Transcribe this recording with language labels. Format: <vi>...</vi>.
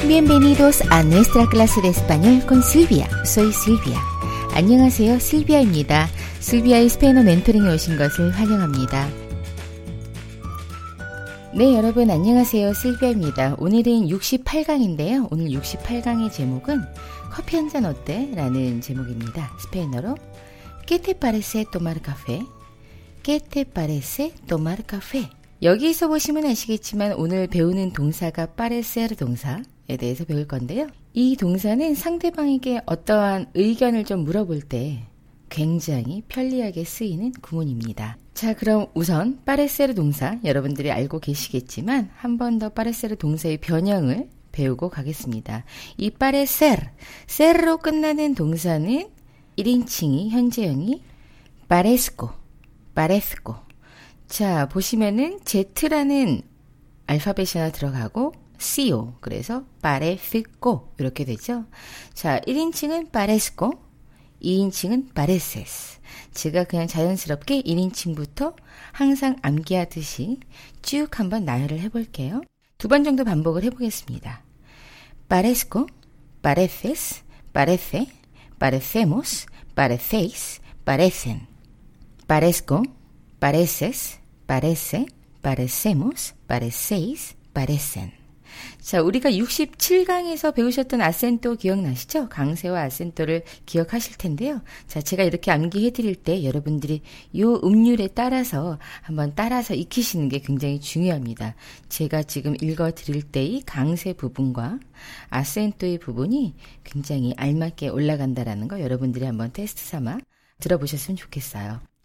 <es>Bienvenidos a nuestra clase de español con Silvia. Soy Silvia.</es> <ko>안녕하세요, Silvia입니다. Silvia의 스페인어 멘토링에 오신 것을 환영합니다. 네, 여러분 안녕하세요. 실비아입니다. 오늘은 68강인데요. 오늘 68강의 제목은 커피 한잔 어때? 라는 제목입니다. 스페인어로</ko> <es>¿Qué te parece tomar café? ¿Qué te parece tomar café?</es> <ko>여기서 보시면 아시겠지만 오늘 배우는 동사가 parecer 동사에 대해서 배울 건데요. 이 동사는 상대방에게 어떠한 의견을 좀 물어볼 때 굉장히 편리하게 쓰이는 구문입니다. 자, 그럼 우선 파레세르 동사 여러분들이 알고 계시겠지만 한 번 더 파레세르 동사의 변형을 배우고 가겠습니다. 이 파레세르, 세르로 끝나는 동사는 1인칭이 현재형이 파레스코, 파레스코. 자, 보시면은 Z라는 알파벳이 하나 들어가고 CO, 그래서 파레스코 이렇게 되죠. 자, 1인칭은 파레스코, 2인칭은 파레세스. 제가 그냥 자연스럽게 1인칭부터 항상 암기하듯이 쭉 한번 나열을 해볼게요. 두 번 정도 반복을 해보겠습니다.</ko> <es>Parezco, pareces, parece, parecemos, parecéis, parecen. Parezco, pareces, parece, parecemos, parecéis, parecen.</es> <ko>자, 우리가 67강에서 배우셨던 아센토 기억나시죠? 강세와 아센토를 기억하실 텐데요. 자, 제가 이렇게 암기해드릴 때 여러분들이 이 음률에 따라서 한번 따라서 익히시는 게 굉장히 중요합니다. 제가 지금 읽어드릴 때의 강세 부분과 아센토의 부분이 굉장히 알맞게 올라간다라는 거 여러분들이 한번 테스트 삼아 들어보셨으면 좋겠어요.</ko>